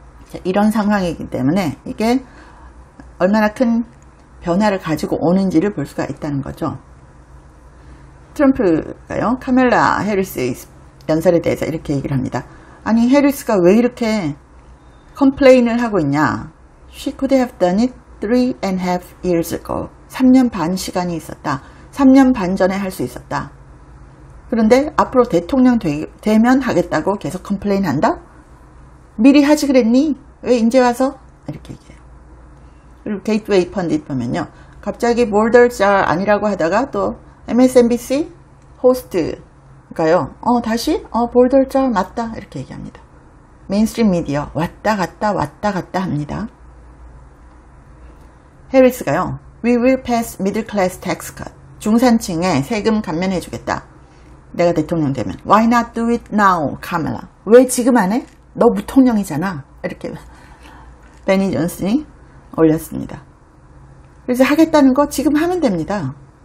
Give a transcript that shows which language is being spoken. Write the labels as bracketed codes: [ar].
[ko] 자, 이런 상황이기 때문에 이게 얼마나 큰 변화를 가지고 오는지를 볼 수가 있다는 거죠. 트럼프가요, 카멜라 해리스의 연설에 대해서 이렇게 얘기를 합니다. 아니, 해리스가 왜 이렇게 컴플레인을 하고 있냐. [en] She could have done it 3.5 years ago. [ko] 3년 반 시간이 있었다. 3년 반 전에 할 수 있었다. 그런데 앞으로 대통령 되면 하겠다고 계속 컴플레인 한다? 미리 하지 그랬니? 왜 이제 와서? 이렇게 얘기해요. 그리고 게이트웨이 펀딧 보면요. 갑자기 [en] borders are [ko] 아니라고 하다가 또 MSNBC 호스트 가요. 다시? 볼더자 맞다. 이렇게 얘기합니다. 메인스트림 미디어 왔다 갔다 왔다 갔다 합니다. 해리스가요. [en] We will pass middle class tax cut. [ko] 중산층에 세금 감면해 주겠다. 내가 대통령 되면. [en] Why not do it now, Kamala? [ko] 왜 지금 안 해? 너 부통령이잖아. 이렇게 베니 존슨이 올렸습니다. 그래서 하겠다는 거 지금 하면 됩니다.